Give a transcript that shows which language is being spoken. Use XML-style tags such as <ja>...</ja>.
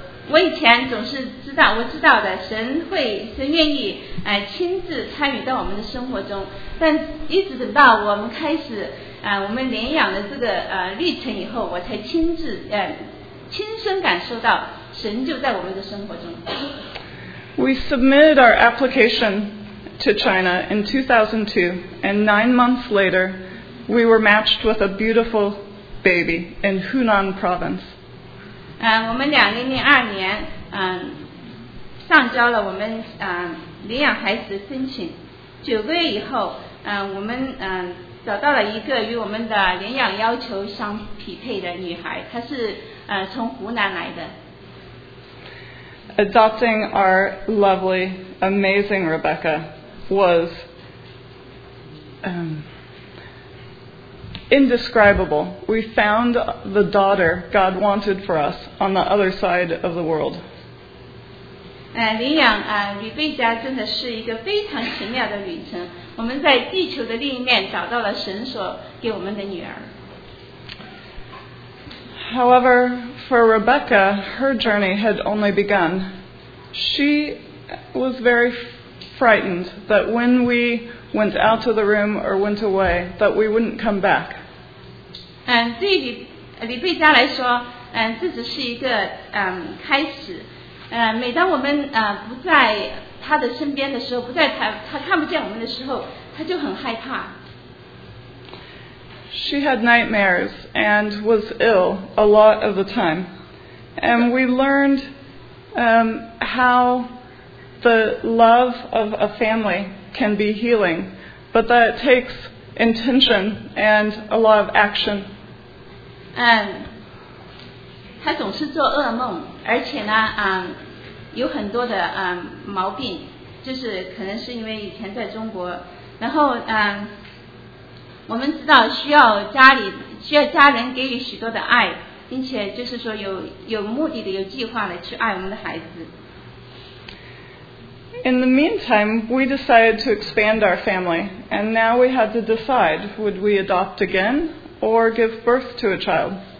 <zh>我以前总是知道，我知道的，神愿意亲自参与到我们的生活中，但一直等到我们开始我们领养的这个历程以后，我才亲身感受到神就在我们的生活中。</zh> <en>We submitted our application to China in 2002, and 9 months later, we were matched with a beautiful baby in Hunan province.</en> <zh>我们2002年上交了我们领养孩子申请。 9个月以后，我们找到了一个与我们的领养要求相匹配的女孩，她是从湖南来的。</zh> <en>Adopting our lovely, amazing Rebecca was indescribable. We found the daughter God wanted for us on the other side of the world.</en> <zh>领养吕贝佳真的是一个非常奇妙的旅程。我们在地球的另一面找到了神所给我们的女儿。</zh> <en>However, for Rebecca, her journey had only begun. She was very frightened that when we went out of the room or went away, that we wouldn't come back.</en> <zh>对于李贝佳来说，这只是一个开始。每当我们不在他的身边的时候，不在他看不见我们的时候，他就很害怕。</zh> <en>She had nightmares and was ill a lot of the time. And we learned how the love of a family can be healing, but that it takes intention and a lot of action.</en> <zh>And 他总是做噩梦，而且呢，有很多的毛病，就是可能是因为以前在中国，然后我们知道需要家人给予许多的爱，并且就是说有目的的、有计划的去爱我们的孩子。</zh> <en>In the meantime, we decided to expand our family, and now we had to decide: would we adopt again or give birth to a child?</en>